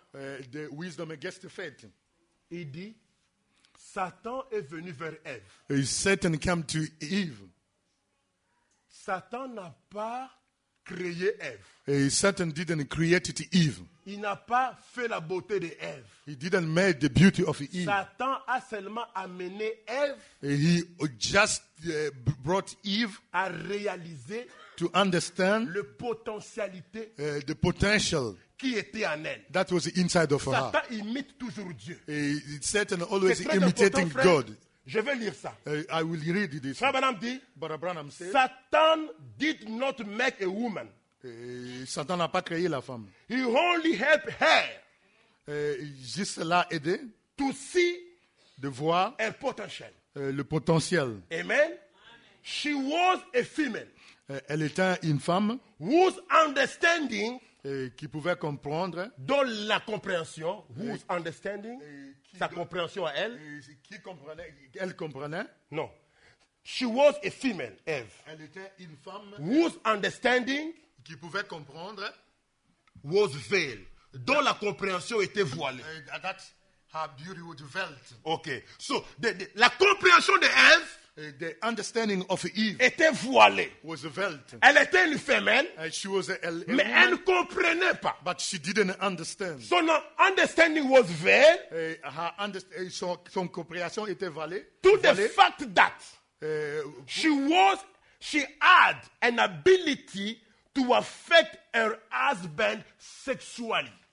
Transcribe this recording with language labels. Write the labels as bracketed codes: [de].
[en] The wisdom against the faith. [fr] Il dit, Satan est venu vers Ève. [en] Satan came to Eve. [fr] Satan n'a pas créé Ève. [en] Satan didn't create Eve. [fr] Il n'a pas fait la beauté de Ève. [en] He didn't make the beauty of Eve. [fr] Satan a seulement amené Ève. [en] He just brought Eve [fr] à réaliser [en] to understand [fr] le potentialité [en] the potential [fr] qui était en elle. [en] That was inside of [fr] Satan [en] her. [fr] Satan imite toujours Dieu. [en] Satan always imitating [fr] frère, [en] God. [fr] Je vais lire ça. [en] I will read this. [fr] Abraham dit, [en] but Abraham said, Satan did not make a woman. [fr] Satan n'a pas créé la femme. [en] He only helped her. [fr] Juste l'a aidé. [en] To see [fr] de voir un potentiel. Le potentiel. [en] Amen. Amen. She was a female. [fr] Elle était une femme. [en] Whose understanding. [fr] Qui pouvait comprendre. Dont la compréhension. [en] Whose understanding. [fr] Sa compréhension à elle. Qui comprenait. Elle comprenait. [en] Non. She was a female, Eve. [fr] Elle était une femme. [en] Whose understanding. [fr] Qui pouvait comprendre. [en] Was veiled. [fr] Dont la compréhension était voilée. [en] That her beauty was veiled. [fr] Ok. So, la compréhension de Eve. [en] The understanding of Eve [fr] était voilée. [en] Was veiled. [fr] Elle était une femelle. [en] She was a [fr] mais woman, elle ne comprenait pas. [en] But she didn't understand. Son understanding was veiled. [fr] Son compréhension était voilée. [en] To the fact that she had an ability to affect her husband sexually.